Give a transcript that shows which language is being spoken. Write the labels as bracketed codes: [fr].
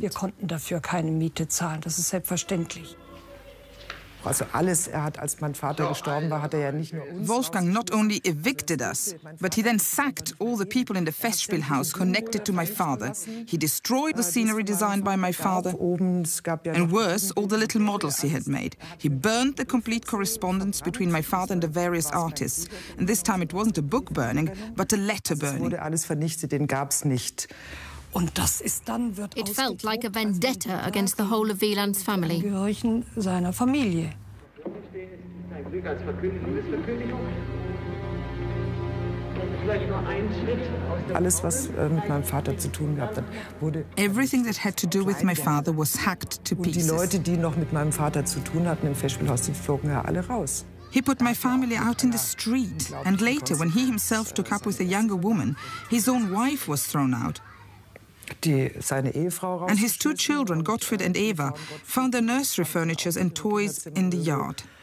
[de] Wir konnten dafür keine Miete zahlen, das ist selbstverständlich. Also alles, er hat, als mein Vater gestorben war, hat er ja nicht nur uns. [en] Wolfgang not only evicted us, but he then sacked all the people in the Festspielhaus connected to my father. He destroyed the scenery designed by my father. And worse, all the little models he had made. He burned the complete correspondence between my father and the various artists. And this time it wasn't a book burning, but a letter burning. [de] Wurde alles vernichtet, den gab's nicht. Und das ist dann wird [en] it felt like a vendetta against the whole of Wieland's family. [de] Seiner Familie. Alles, was mit meinem Vater zu tun gehabt hat, wurde [en] everything that had to do with my father was hacked to pieces. [de] Und die Leute, die noch mit meinem Vater zu tun hatten im Festspielhaus, die flogen ja alle raus. [en] He put my family out in the street. And later, when he himself took up with a younger woman, his own wife was thrown out. And his two children, Gottfried and Eva, found their nursery furniture and toys in the yard.